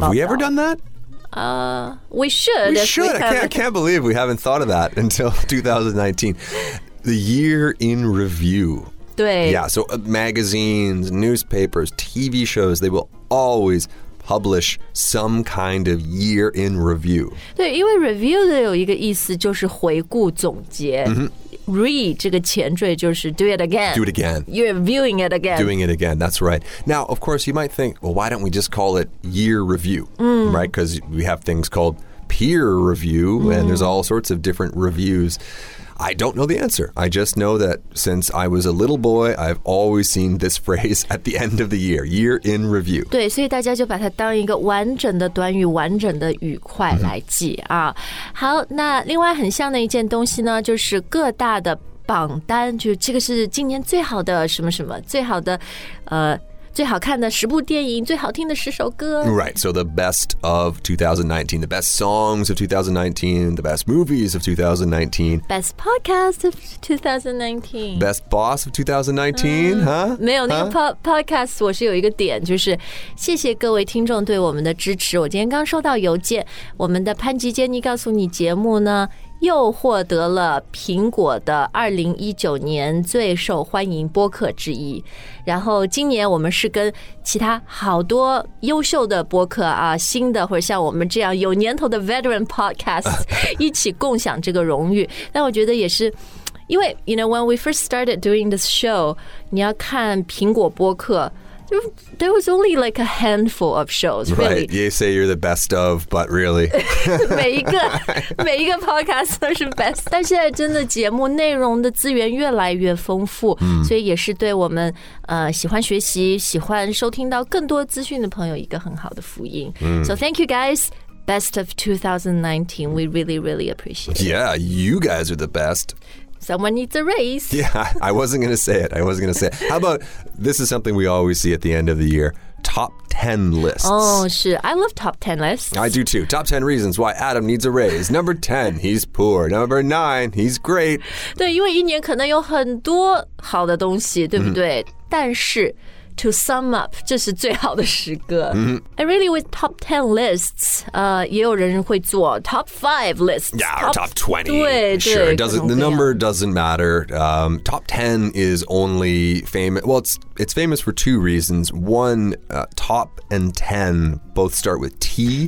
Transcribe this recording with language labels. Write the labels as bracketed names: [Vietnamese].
[English] 道。Have we ever done that? We should. We should. I can't believe we haven't thought of that until 2019. The year in review. [Chinese] 对 [English] yeah, so magazines, newspapers, TV shows, they will always publish some kind of year in review. [Chinese] 对，因为 review 的有一个意思就是回顾总结。 Re 这个前缀就是 [English] do it again. Do it again. You're viewing it again. Doing it again, that's right. Now, of course, you might think, well, why don't we just call it year review? Right, because we have things called peer review, and there's all sorts of different reviews. I don't know the answer. I just know that since I was a little boy, I've always seen this phrase at the end of the year, year in review. [Chinese] 对，所以大家就把它当一个完整的短语、完整的语块来记啊。好，那另外很像的一件东西呢，就是各大的榜单，就这个是今年最好的什么什么，最好的，最好看的十部电影，最好听的十首歌。 [English] Right, so the best of 2019, the best songs of 2019, the best movies of 2019. Best podcast of 2019. Best boss of 2019, [Chinese] 没有那个 podcast, 我是有一个点，就是谢谢各位听众对我们的支持。我今天刚收到邮件，我们的潘吉杰尼告诉你节目呢。又获得了苹果的2019年最受欢迎播客之一。然后今年我们是跟其他好多优秀的播客啊，新的或者像我们这样有年头的 [English] veteran podcast [Chinese] 一起共享这个荣誉。但我觉得也是因为 [English] you know, when we first started doing this show, [Chinese] 你要看苹果播客 [English] There was only like a handful of shows, really. Right. You say you're the best of, but really. [Chinese] 每一个 podcast 都是 best. 但现在真的节目内容的资源越来越丰富，所以也是对我们喜欢学习、喜欢收听到更多资讯的朋友一个很好的福音。 [English] So thank you guys. Best of 2019. We really, really appreciate it. Yeah, you guys are the best. Someone needs a raise. Yeah, I wasn't going to say it. How about, this is something we always see at the end of the year, top 10 lists. Oh, shit. I love top 10 lists. I do too. Top 10 reasons why Adam needs a raise. Number 10, he's poor. Number 9, he's great. [Chinese] 对，因为一年可能有很多好的东西，对不对？但是 [English] To sum up, [Chinese] 这是最好的诗歌。 [English] And really, with top 10 lists, [Chinese] 也有人会做 [English] top 5 lists. Yeah, or top 20. [Chinese] 对, [English] sure, the number doesn't matter. Top 10 is only famous. Well, it's famous for two reasons. One, top and 10 both start with T.